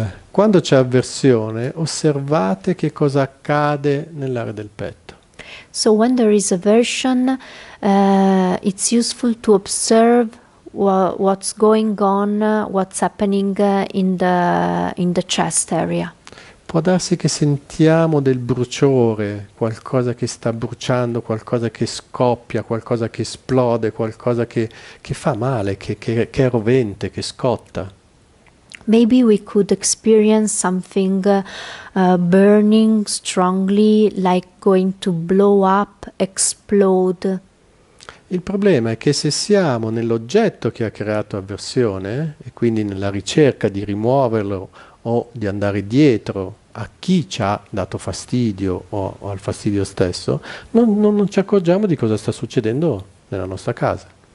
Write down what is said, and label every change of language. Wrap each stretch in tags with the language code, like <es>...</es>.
<it>Quando c'è avversione, osservate che cosa accade nell'area del petto.</it> <en>So when there is aversion, it's useful to observe what's going on, what's happening in the chest area.</en> <it>Può darsi che sentiamo del bruciore, qualcosa che sta bruciando, qualcosa che scoppia, qualcosa che esplode, qualcosa che fa male, che è rovente, che scotta.</it> <en>Maybe we could experience something burning strongly, like going to blow up, explode.</en> <it>Il problema è che se siamo nell'oggetto che ha creato avversione, e quindi nella ricerca di rimuoverlo o di andare dietro a chi ci ha dato fastidio o al fastidio stesso, non ci accorgiamo di cosa sta succedendo nella nostra casa.</it>